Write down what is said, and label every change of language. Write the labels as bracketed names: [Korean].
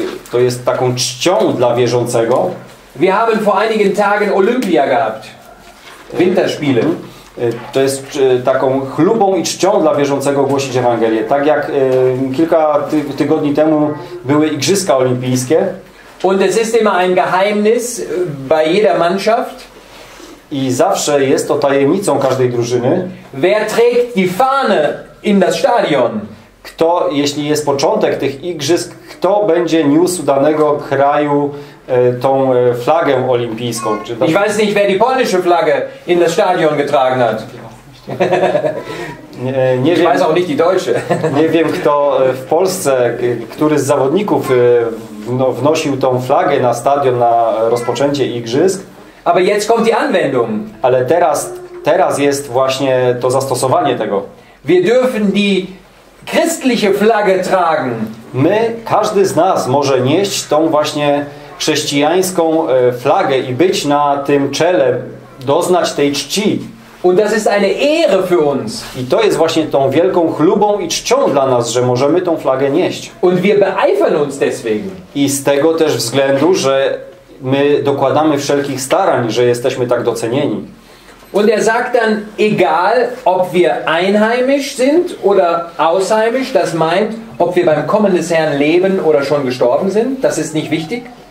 [Polish] To jest taką czcią dla wierzącego. [German] Wir haben vor einigen Tagen Olympia gehabt. Winterspiele. [Polish] To jest taką chlubą i czcią dla wierzącego głosić Ewangelię. Tak jak kilka tygodni temu były Igrzyska Olimpijskie. [German] Und es ist immer ein Geheimnis bei jeder Mannschaft. [Polish] I zawsze jest to tajemnicą każdej drużyny. [German] Wer trägt die Fahne in das Stadion? [Polish] Kto, jeśli jest początek tych igrzysk, kto będzie niósł danego kraju tą flagę olimpijską? Czy [German] ich weiß nicht, wer die polnische Flagge in das Stadion getragen hat. [Polish] Nie wiem, [German] ich weiß auch nicht die deutsche. [Polish] Nie wiem, kto w Polsce, który z zawodników wnosił tą flagę na stadion na rozpoczęcie igrzysk. [German] Aber jetzt kommt die Anwendung. [Polish] Ale teraz jest właśnie to zastosowanie tego. [German] Wir dürfen die christliche Flagge tragen. [Polish] My, każdy z nas może nieść tą właśnie chrześcijańską flagę i być na tym czele, doznać tej czci. [German] Und das ist eine Ehre für uns. [Polish] I to jest właśnie tą wielką chlubą i czcią dla nas, że możemy tą flagę nieść. [German] Und wir beeifern uns deswegen. [Polish] I z tego też względu, że my dokładamy wszelkich starań, że jesteśmy tak docenieni. [German] Und er sagt dann, egal ob wir einheimisch sind oder ausheimisch, das meint, ob wir beim Kommen des Herrn leben oder schon gestorben sind, das ist nicht wichtig.